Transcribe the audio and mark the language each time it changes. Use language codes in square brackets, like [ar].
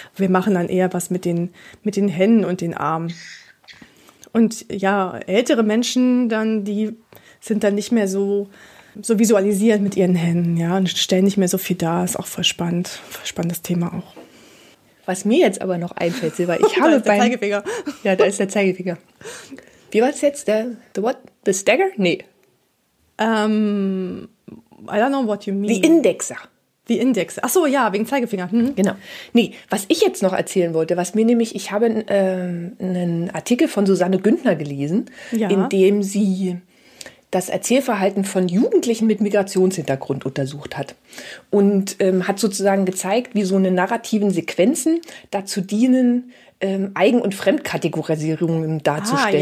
[de] Wir machen dann eher was mit den Händen und den Armen. Und ja, ältere Menschen dann, die sind dann nicht mehr so visualisiert mit ihren Händen, ja, und stellen nicht mehr so viel dar. Ist auch voll spannendes Thema auch. Was mir jetzt aber noch einfällt, Silber, ich habe da ist der Zeigefinger. Ja, da ist der Zeigefinger. Wie war es jetzt? [en] The what? The stagger? [de] Nee. [en] I don't know what you mean. The Indexer. The Index. [de] Ach so, ja, wegen Zeigefinger. Hm. Genau. Nee, was ich jetzt noch erzählen wollte, was mir nämlich, ich habe einen Artikel von Susanne Gündner gelesen, ja, in dem sie das Erzählverhalten von Jugendlichen mit Migrationshintergrund untersucht hat und hat sozusagen gezeigt, wie so eine narrativen Sequenzen dazu dienen, Eigen- und Fremdkategorisierungen darzustellen.